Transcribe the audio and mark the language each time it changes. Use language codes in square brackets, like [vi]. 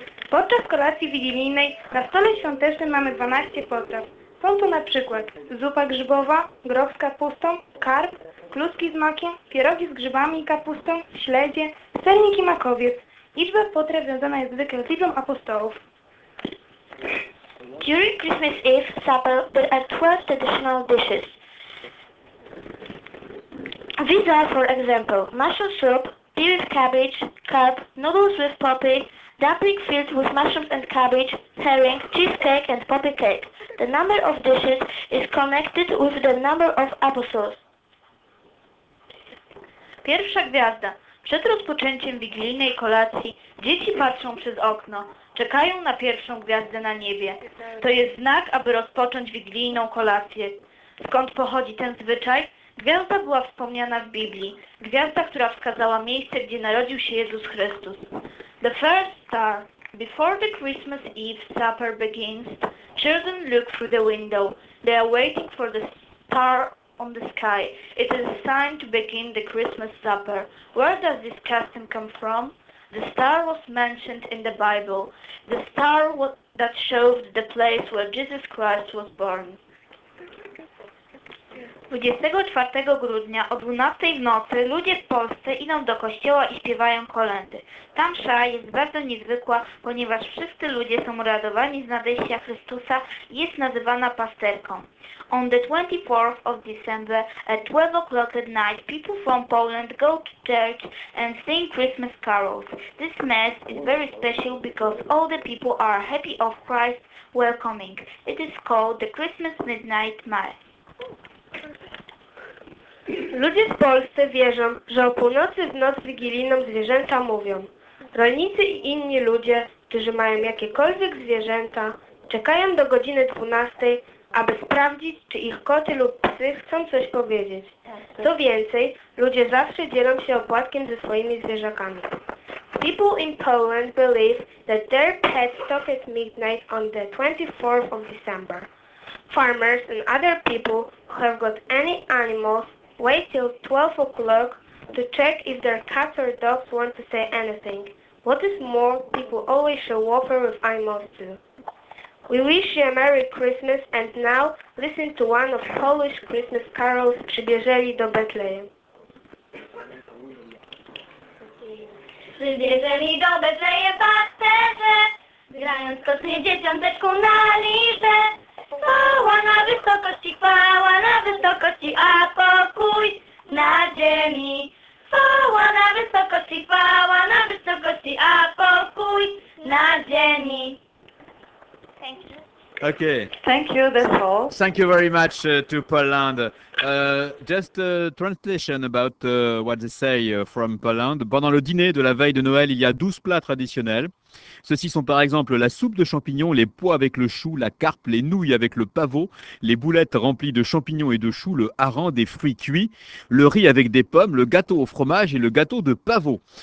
[pl] Podczas kolacji wigilijnej na stole świątecznym mamy 12 potraw. Są to na przykład zupa grzybowa, groch z kapustą, karp, kluski z makiem, pierogi z grzybami i kapustą, śledzie, sernik i makowiec. Liczba potraw związana jest zwykle z liczbą apostołów. [en] During Christmas Eve supper, there are 12 traditional dishes. These are, for example, mushroom soup, beef with cabbage, carp, noodles with poppy, dumpling filled with mushrooms and cabbage, herring, cheesecake and poppy cake. The number of dishes is connected with the number of apostles. [pl] Pierwsza gwiazda. Przed rozpoczęciem wigilijnej kolacji dzieci patrzą przez okno, czekają na pierwszą gwiazdę na niebie. To jest znak, aby rozpocząć wigilijną kolację. Skąd pochodzi ten zwyczaj? Gwiazda była wspomniana w Biblii. Gwiazda, która wskazała miejsce, gdzie narodził się Jezus Chrystus. [en] The first star. Before the Christmas Eve supper begins, children look through the window. They are waiting for the star on the sky. It is a sign to begin the Christmas supper. Where does this custom come from? The star was mentioned in the Bible. The star that showed the place where Jesus Christ was born. [pl] 24 grudnia o 12 w nocy ludzie w Polsce idą do kościoła i śpiewają kolędy. Ta msza jest bardzo niezwykła, ponieważ wszyscy ludzie są uradowani z nadejścia Chrystusa i jest nazywana pasterką. [en] On the 24th of December at 12 o'clock at night, people from Poland go to church and sing Christmas carols. This mass is very special because all the people are happy of Christ welcoming. It is called the Christmas Midnight Mass. [pl] Ludzie w Polsce wierzą, że o północy w noc wigilijną zwierzęta mówią. Rolnicy i inni ludzie, którzy mają jakiekolwiek zwierzęta, czekają do godziny 12, aby sprawdzić, czy ich koty lub psy chcą coś powiedzieć. Co więcej, ludzie zawsze dzielą się opłatkiem ze swoimi zwierzakami. [en] People in Poland believe that their pets talk at midnight on the 24th of December. Farmers and other people who have got any animals wait till 12 o'clock to check if their cats or dogs want to say anything. What is more, people always show offer with animals too. We wish you a Merry Christmas and now listen to one of Polish Christmas carols Przybierzeli do Betlejem. [pl] Przybierzeli do Betlejem pasterze, grając kotny dzieciąteczku na liże. Chwała na wysokości, chwała na wysokości, a pokój na ziemi. Chwała na wysokości, chwała na wysokości, a pokój na ziemi. [en] Thank you. Okay. Thank you, that's all. Thank you very much to Poland. Just a translation about what they say from Poland. [fr] Pendant le dîner de la veille de Noël, il y a 12 plats traditionnels. Ceux-ci sont par exemple la soupe de champignons, les pois avec le chou, la carpe, les nouilles avec le pavot, les boulettes remplies de champignons et de choux, le hareng, des fruits cuits, le riz avec des pommes, le gâteau au fromage et le gâteau de pavot.